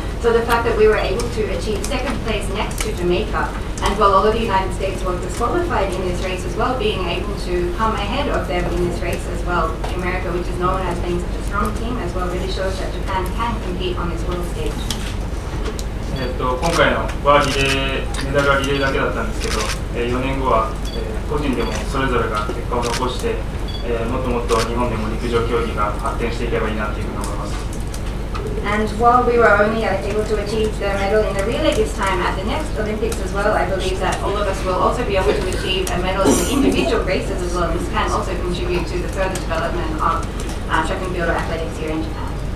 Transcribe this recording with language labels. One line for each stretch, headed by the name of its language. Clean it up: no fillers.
English: So the fact that we were able to achieve second place next to Jamaica, and while all of the United States were disqualified in this race as well, being able to come ahead of them in this race as well, America, which is known as being such a strong team as well, really shows that Japan can compete on this world stage.
Japanese: 今回のはリレーメダルはリレーだけだったんですけど、4年後は、個人でもそれぞれが結果を残して、もっともっと日本でも陸上競技が発展していけばいいなというふうに思います。
English: And while we were only able to achieve the medal in the relay this time, at the next Olympics as well, I believe that all of us will also be able to achieve a medal in the individual races as well. This can also contribute to the further development of track and field athletics here in Japan.